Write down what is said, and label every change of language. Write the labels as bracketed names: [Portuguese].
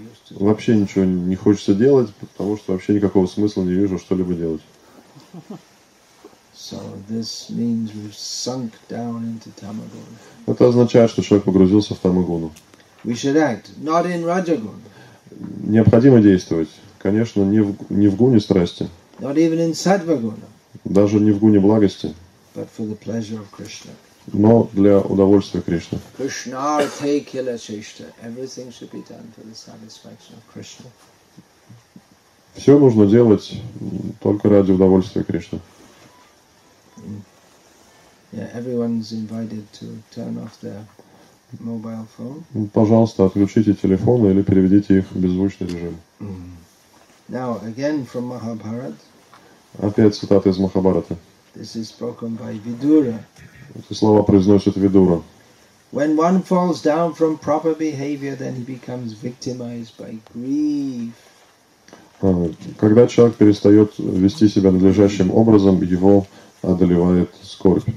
[Russian] Вообще ничего не хочется делать, потому что вообще никакого смысла не вижу что-либо делать. [English] So this means we've sunk down into tamaguna. [Russian] Это означает, что человек погрузился в тамагуну. [English] We should act, not in rajaguna. [Russian] Необходимо действовать. Конечно, не в гуне страсти. [English] Not even in sattva-guna. [Russian] Даже не в гуне благости. [English] But for the pleasure of Krishna. [Russian] Но для удовольствия Кришны. [Sanskrit] Krishnarthe kila cheshta. [English] Everything should be done for the satisfaction of Krishna. [Russian] Все нужно делать только ради удовольствия Кришны. [English] Yeah, everyone's invited to turn off their mobile phone. [Russian] Пожалуйста, отключите телефоны или переведите их в беззвучный режим. [English] Now again from Mahabharata. [Russian] Опять цитата из Махабхараты. [English] This is spoken by Vidura. [Russian] Эти слова произносит Видура. [English] When one falls down from proper behavior, then he becomes victimized by grief. [Russian] Когда человек перестает вести себя надлежащим образом, его одолевает скорбь.